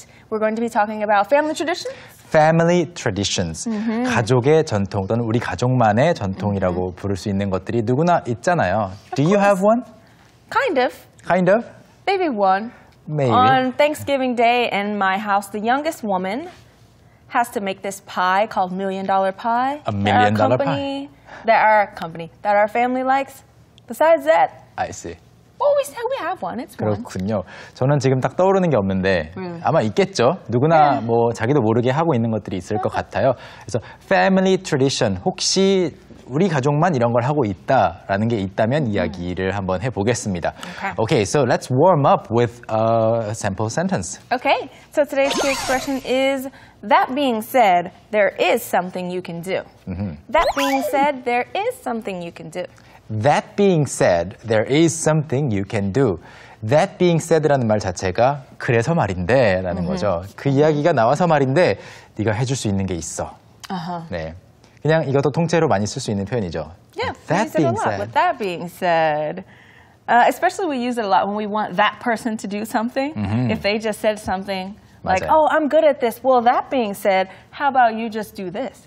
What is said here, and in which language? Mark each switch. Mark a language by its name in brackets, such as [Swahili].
[English] We're going to be talking about family traditions. Family traditions. [Korean] Mm-hmm. 가족의 전통 또는 우리 가족만의 전통이라고 mm-hmm. 부를 수 있는 것들이 누구나 있잖아요. [English] Do you have one? Kind of. Kind of? Maybe one. Maybe. On Thanksgiving Day in my house, the youngest woman has to make this pie called million dollar pie. A million dollar pie. That our company, that our family likes. Besides that. I see. Always say we have one. It's [Korean] 그렇군요. 저는 지금 딱 떠오르는 게 없는데 아마 있겠죠. 누구나 뭐 자기도 모르게 하고 있는 것들이 있을 것 같아요. 그래서 family tradition 혹시 우리 가족만 이런 걸 하고 있다라는 게 있다면 이야기를 한번 해보겠습니다. [English] Okay. Okay, so let's warm up with a sample sentence. Okay, so today's key expression is that being said, there is something you can do. Mm-hmm. That being said, there is something you can do. That being said, there is something you can do. That being said [Korean] 라는 말 자체가 그래서 말인데 라는 mm-hmm. 거죠. 그 이야기가 나와서 말인데 네가 해줄 수 있는 게 있어. Uh-huh. 네. 그냥 이것도 통째로 많이 쓸 수 있는 표현이죠. [English] Yeah, that we use it a lot. Said. With that being said, especially we use it a lot when we want that person to do something. Mm-hmm. If they just said something [Korean] 맞아요. [English] like, oh, I'm good at this. Well, that being said, how about you just do this?